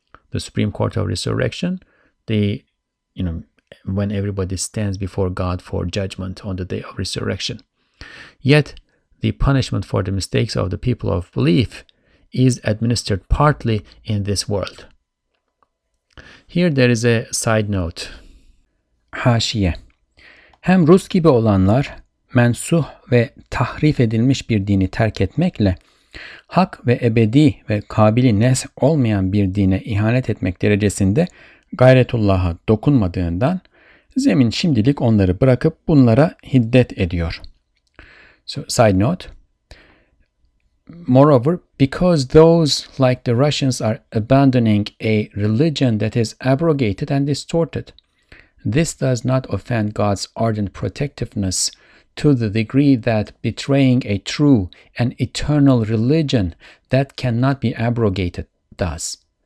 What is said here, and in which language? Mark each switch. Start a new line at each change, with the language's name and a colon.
English: The Supreme Court of Resurrection, when everybody stands before God for judgment on the day of resurrection. Yet, the punishment for the mistakes of the people of belief is administered partly in this world. Here there is a side note.
Turkish: Haşiye. Hem Rus gibi olanlar mensuh ve tahrif edilmiş bir dini terk etmekle hak ve ebedi ve kabili nes olmayan bir dine ihanet etmek derecesinde gayretullah'a dokunmadığından zemin şimdilik onları bırakıp bunlara hiddet ediyor.
English: So, side note, moreover, because those like the Russians are abandoning a religion that is abrogated and distorted, this does not offend God's ardent protectiveness to the degree that betraying a true and eternal religion that cannot be abrogated does.